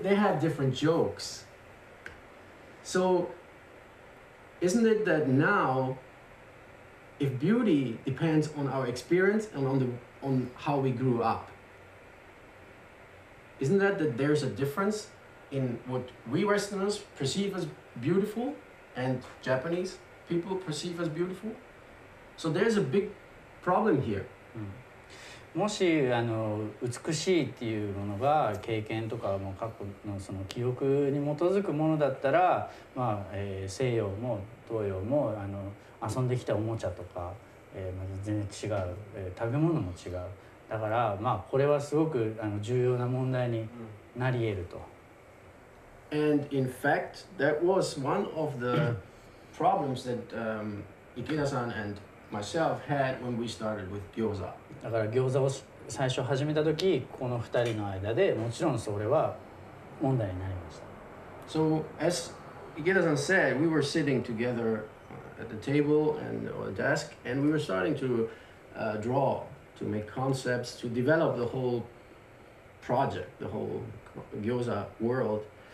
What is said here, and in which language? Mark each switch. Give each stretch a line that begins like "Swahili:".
English: They have different jokes. So isn't it that now, if beauty depends on our experience and on how we grew up, isn't that there's a difference in what we Westerners perceive as beautiful and Japanese people perceive as beautiful? So there's a big problem here.
Japanese: もし美しいっていうものが経験とかも過去のその記憶に基づくものだったら、まあ西洋も東洋も遊んできたおもちゃとか、まあ、全然違う、食べ物も違う。だからまあこれはすごく重要な問題になり得ると。
English: And in fact, that was one of the problems that Ikeda-san and myself had when we started with Gyoza.
Japanese: だから餃子を最初始めた時、この二人の間でもちろんそれは問題になりました。
English: So as Ikeda-san said, we were sitting together at the table and or desk, and we were starting to draw. To make concepts, to develop the whole project, the whole gyoza world.